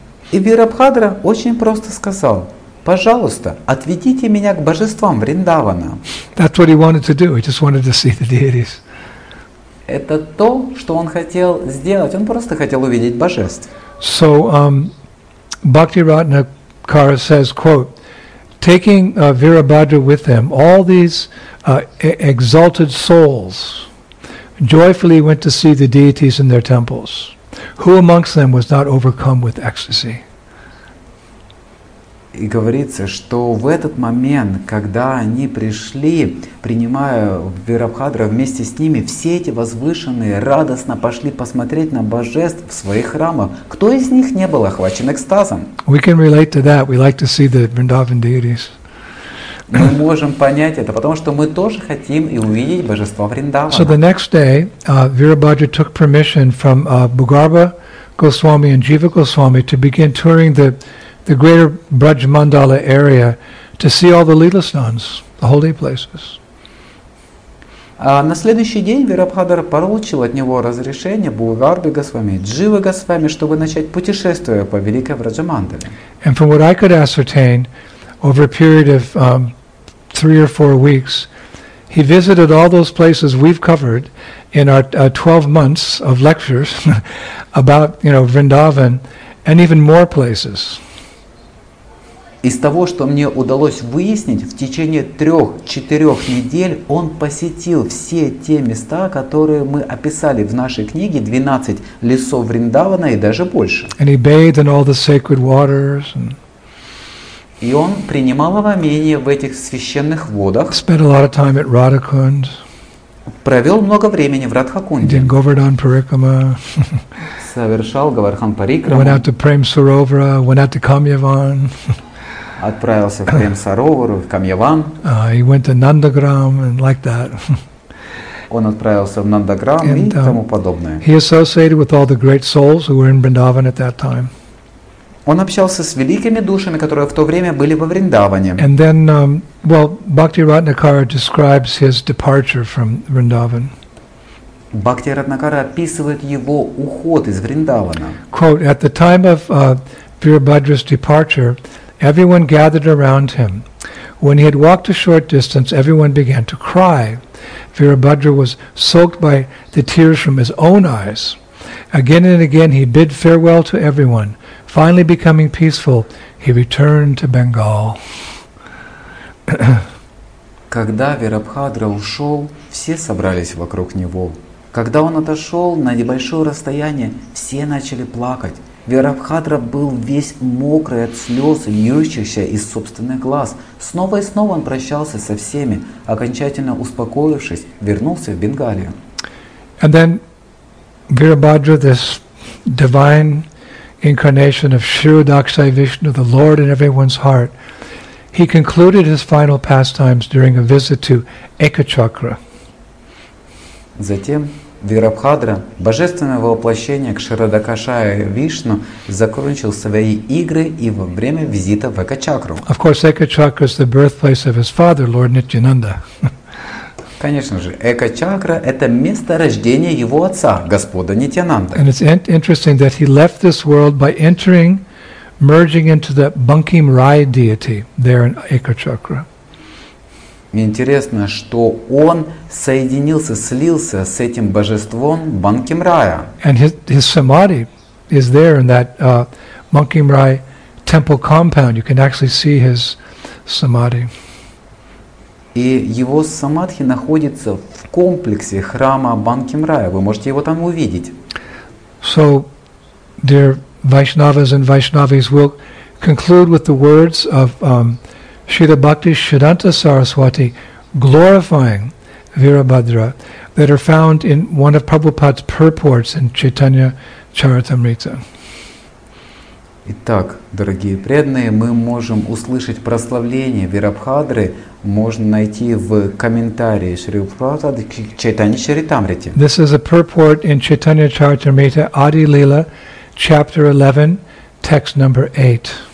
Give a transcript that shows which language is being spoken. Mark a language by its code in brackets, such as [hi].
[ru] И Вирабхадра очень просто сказал: пожалуйста, отведите меня к божествам Вриндавана. [en] That's what he wanted to do. He just wanted to see the deities. [ru] Это то, что он хотел сделать. Он просто хотел увидеть божеств. [en] So, Bhaktiratnakara says, quote, taking Virabhadra with them, all these exalted souls joyfully went to see the deities in their temples. Who amongst them was not overcome with ecstasy? [ru] И говорится, что в этот момент, когда они пришли, принимая Вирабхадра вместе с ними, все эти возвышенные радостно пошли посмотреть на божеств в своих храмах. Кто из них не был охвачен экстазом? [en] We can relate to that. We like to see the Vrindavan deities. [ru] Мы можем понять это, потому что мы тоже хотим и увидеть божества Вриндавана. [en] So the next day, Virabhadra took permission from Bhugarbha Goswami and Jiva Goswami to begin touring the greater Braj Mandala area to see all the leela sthans, the holy places. [ru] На следующий день Вирабхадра получил от него разрешение Бхугарбхи Госвами, Дживы Госвами, чтобы начать путешествие по великой Враджамандале. [en] And from what I could ascertain, over a period of 3 or 4 weeks, he visited all those places we've covered in our 12 months of lectures about, you know, Vrindavan and even more places. [ru] Из того, что мне удалось выяснить, в течение 3-4 недель он посетил все те места, которые мы описали в нашей книге, 12 лесов Вриндавана и даже больше. [en] And he bathed in all the sacred waters. And... [ru] И он принимал омовение в этих священных водах. [en] Spent a lot of time at Radhakund. [ru] Провел много времени в Радхакунде. [en] Did Govardhan Parikrama. [ru] Совершал Говардхан Парикраму. [en] Went out to Prem Sarovara, went out to Kamyavan. [ru] Отправился в Прем-Саровар, в Камьяван. [en] He went to Nandagram and like that. [ru] Он отправился в Нандаграм и тому подобное. [en] He associated with all the great souls who were in Vrindavan at that time. [ru] Он общался с великими душами, которые в то время были во Вриндаване. [en] And then, Bhaktiratnakara describes his departure from Vrindavan. [ru] Bhaktiratnakara описывает его уход из Вриндавана. [en] Quote, at the time of Virabhadra's departure, everyone gathered around him. When he had walked a short distance, everyone began to cry. Virabhadra was soaked by the tears from his own eyes. Again and again, he bid farewell to everyone. Finally becoming peaceful, he returned to Bengal. [ru] Когда Вирабхадра ушел, все собрались вокруг него. Когда он отошел на небольшое расстояние, все начали плакать. Вирабхадра был весь мокрый от слез, льющихся из собственных глаз. Снова и снова он прощался со всеми, окончательно успокоившись, вернулся в Бенгалию. [en] And then Virabhadra, this divine incarnation of Shri Dakshai Vishnu, the Lord in everyone's heart, he concluded his final pastimes during a visit to Ekachakra. [ru] Затем Вирабхадра, божественное воплощение Кширадакшая Вишну, закончил свои игры и во время визита в Экачакру. [en] Of course, Ekachakra is the birthplace of his father, Lord Nityananda. [ru] Конечно же, Экачакра – это место рождения его отца, Господа Нитьянанда. [en] And it's interesting that he left this world by entering, merging into the Bankim Rai deity there in Ekachakra. [ru] Интересно, что он соединился, слился с этим божеством Банким Рая. [en] And his samadhi is there in that Банким Рай temple compound. You can actually see his samadhi. [ru] И его самадхи находится в комплексе храма Банкимрая. Вы можете его там увидеть. [en] So, dear Vaishnavas and Vaishnavis, we'll conclude with the words of Shrila Bhakti Siddhanta Saraswati glorifying Virabhadra that are found in one of Prabhupada's purports in Chaitanya Charitamrita. [ru] Итак, дорогие преданные, мы можем услышать прославление Вирабхадры, можно найти в комментарии Шри Прабхупады к Чайтанья Чаритамрите. [en] This is a purport in Chaitanya Charitamrita, Adi Lila, chapter 11, text number 8.